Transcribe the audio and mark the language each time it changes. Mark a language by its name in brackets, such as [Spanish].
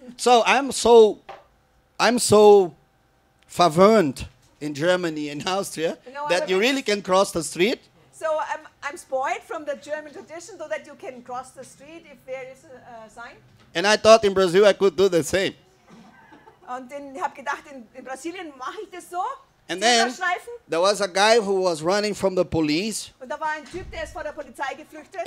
[English] So I'm so verwöhnt in Germany and Austria that you really can cross the street. So I'm spoiled from the German tradition so that you can cross the street if there is a sign. And I thought in Brazil I could do the same. [German] Und dann habe gedacht, in Brasilien mache ich das so. [English] And then there was a guy who was running from the police. [German] Und da war ein Typ, der ist vor der Polizei geflüchtet.